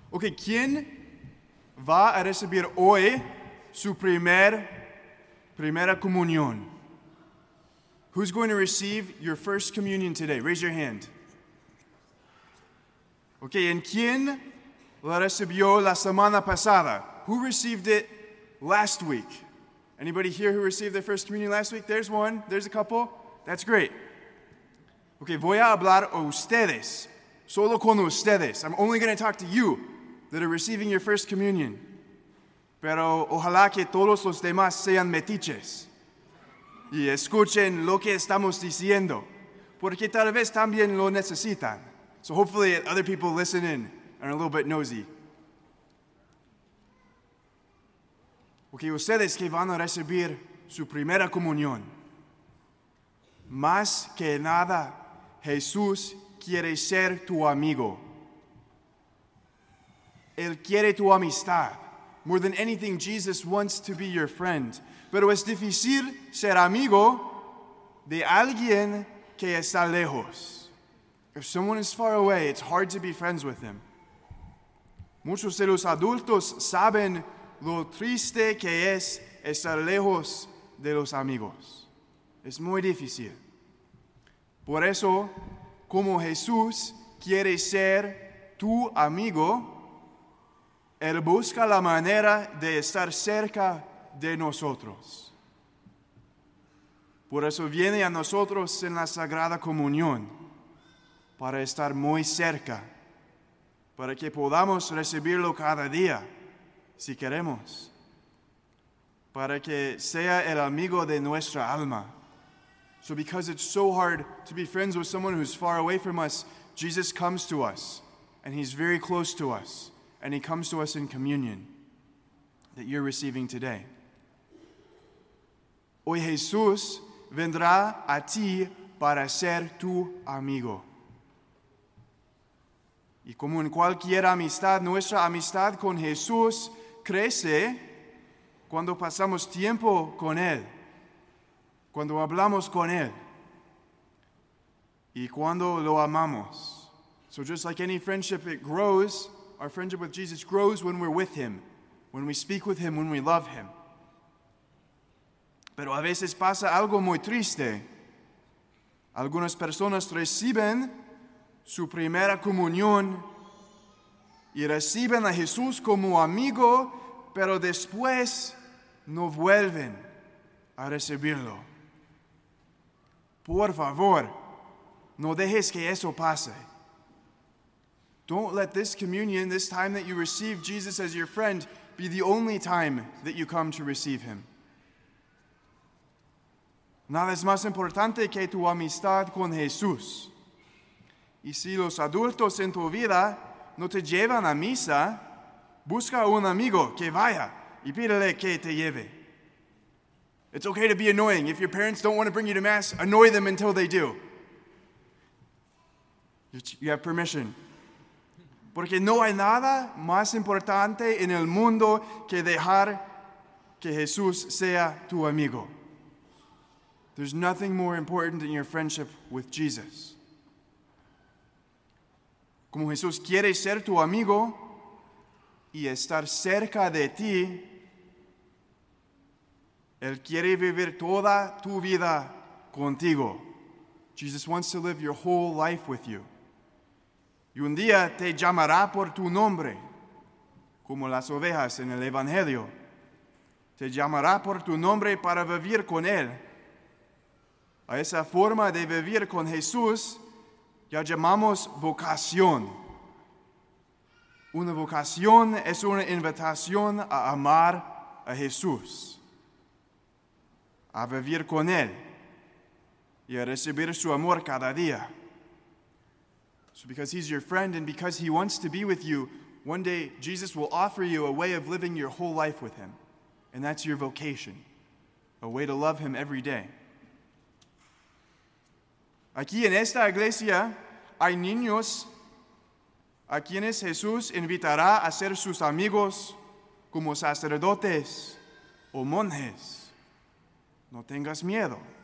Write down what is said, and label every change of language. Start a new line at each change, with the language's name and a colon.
Spanish: Ok, ¿quién va a recibir hoy su primera comunión?
English: Who's going to receive your first communion today? Raise your hand.
Spanish: Ok, ¿en quién la recibió la semana pasada?
English: Who received it last week? Anybody here who received their first communion last week? There's one. There's a couple. That's great.
Spanish: Ok, voy a hablar a ustedes. Solo con ustedes.
English: I'm only going to talk to you that are receiving your first communion.
Spanish: Pero ojalá que todos los demás sean metiches. Y escuchen lo que estamos diciendo. Porque tal vez también lo necesitan.
English: So hopefully other people listen in and are a little bit nosy.
Spanish: Ok, ustedes que van a recibir su primera comunión. Más que nada, Jesús quiere ser tu amigo. Él quiere tu amistad.
English: More than anything, Jesus wants to be your friend.
Spanish: Pero es difícil ser amigo de alguien que está lejos.
English: If someone is far away, it's hard to be friends with him.
Spanish: Muchos de los adultos saben lo triste que es estar lejos de los amigos. Es muy difícil. Por eso, como Jesús quiere ser tu amigo, Él busca la manera de estar cerca de nosotros. Por eso viene a nosotros en la Sagrada Comunión, para estar muy cerca, para que podamos recibirlo cada día, si queremos, para que sea el amigo de nuestra alma.
English: So because it's so hard to be friends with someone who's far away from us, Jesus comes to us, and he's very close to us, and he comes to us in communion that you're receiving today.
Spanish: Hoy Jesús vendrá a ti para ser tu amigo. Y como en cualquier amistad, nuestra amistad con Jesús crece cuando pasamos tiempo con él. Cuando hablamos con él y cuando lo amamos.
English: So just like any friendship, it grows. Our friendship with Jesus grows when we're with him, when we speak with him, when we love him.
Spanish: Pero a veces pasa algo muy triste. Algunas personas reciben su primera comunión y reciben a Jesús como amigo, pero después no vuelven a recibirlo. Por favor, no dejes que eso pase.
English: Don't let this communion, this time that you receive Jesus as your friend, be the only time that you come to receive him.
Spanish: Nada es más importante que tu amistad con Jesús. Y si los adultos en tu vida no te llevan a misa, busca un amigo que vaya y pídele que te lleve.
English: It's okay to be annoying. If your parents don't want to bring you to Mass, annoy them until they do. You have permission.
Spanish: Porque no hay nada más importante en el mundo que dejar que Jesús sea tu amigo.
English: There's nothing more important than your friendship with Jesus.
Spanish: Como Jesús quiere ser tu amigo y estar cerca de ti, Él quiere vivir toda tu vida contigo.
English: Jesus wants to live your whole life with you.
Spanish: Y un día te llamará por tu nombre, como las ovejas en el Evangelio. Te llamará por tu nombre para vivir con Él. A esa forma de vivir con Jesús, ya llamamos vocación. Una vocación es una invitación a amar a Jesús, a vivir con él y a recibir su amor cada día.
English: So because he's your friend and because he wants to be with you, one day Jesus will offer you a way of living your whole life with him. And that's your vocation, a way to love him every day.
Spanish: Aquí en esta iglesia hay niños a quienes Jesús invitará a ser sus amigos como sacerdotes o monjes. No tengas miedo.